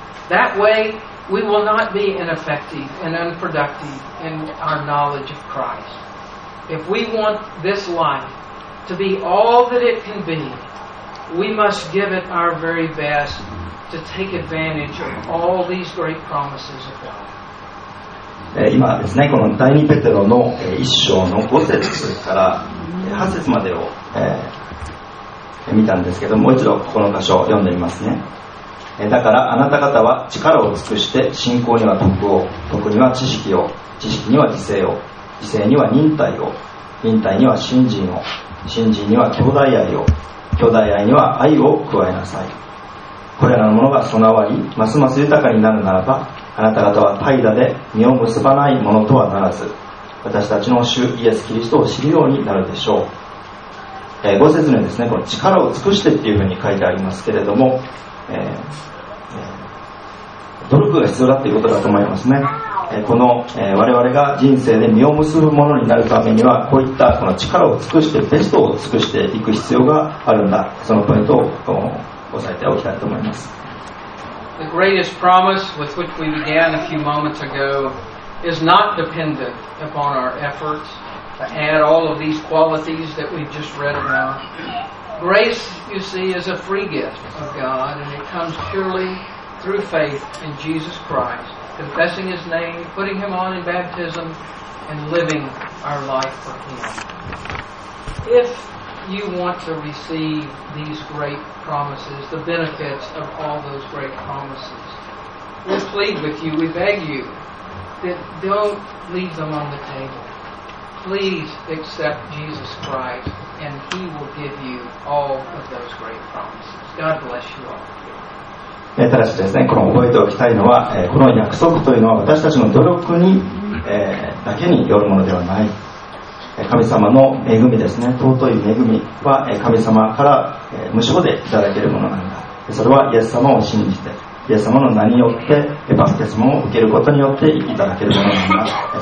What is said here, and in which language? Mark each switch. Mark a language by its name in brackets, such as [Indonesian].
[English] That way,We will not be ineffective and unproductive in our knowledge of Christ. If we want this life to be all that it can be, we must give it our very best to take advantage of all these great promises of God. [Japanese] 今ですね、この第二ペテロの1章の5節から8節までを、見たんですけど、もう一度この箇所を読んでみますね。だからあなた方は力を尽くして信仰には徳を、徳には知識を、知識には自制を、自制には忍耐を、忍耐には信心を、信心には兄弟愛を、兄弟愛には愛を加えなさい。これらのものが備わりますます豊かになるならば、あなた方は怠惰で実を結ばないものとはならず、私たちの主イエス・キリストを知るようになるでしょう。ご説明ですね、この力を尽くしてっていうふうに書いてありますけれども、努力が必要だということだと思いますね。この、我々が人生で実を結ぶものになるためには、こういったこの力を尽くしてベストを尽くしていく必要があるんだ、そのポイントを押さえておきたいと思います。 [English] The greatest promise with which we began a few moments ago is not dependent upon our efforts to add all of these qualities that we've just read about. Grace, you see, is a free gift of God, and it comes purely through faith in Jesus Christ, confessing His name, putting Him on in baptism, and living our life for Him. If you want to receive these great promises, the benefits of all those great promises, we plead with you, we beg you, that don't leave them on the table. Please accept Jesus Christ, and He will give you all of those great promises. God bless you all. [Japanese] ただしですね、この覚えておきたいのは、この約束というのは私たちの努力に、だけによるものではない。神様の恵みですね、尊い恵みは神様から無償でいただけるものなんだ。それはイエス様を信じて、イエス様の名によってバプテスマを受けることによっていただけるものなんだ。